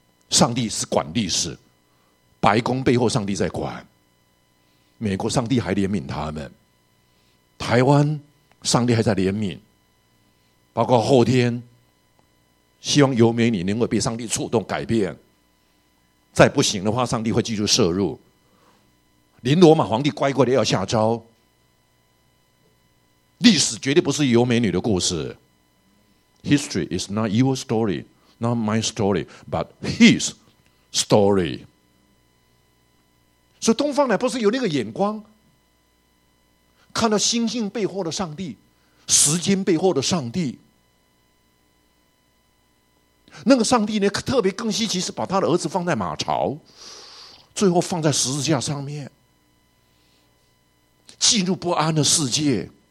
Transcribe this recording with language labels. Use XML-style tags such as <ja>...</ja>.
<zh>上帝是管历史，白宫背后上帝在管，美国上帝还怜悯他们，台湾上帝还在怜悯，包括后天希望有美女能够被上帝触动改变，再不行的话上帝会继续摄入，连罗马皇帝乖乖的要下诏，历史绝对不是有美女的故事。</zh> <en>History is not your story, not my story, but his story.</en> <zh>所以东方乃不是有那个眼光，看到星星背后的上帝，时间背后的上帝。那个上帝呢，特别更稀奇，是把他的儿子放在马槽，最后放在十字架上面，进入不安的世界。</zh>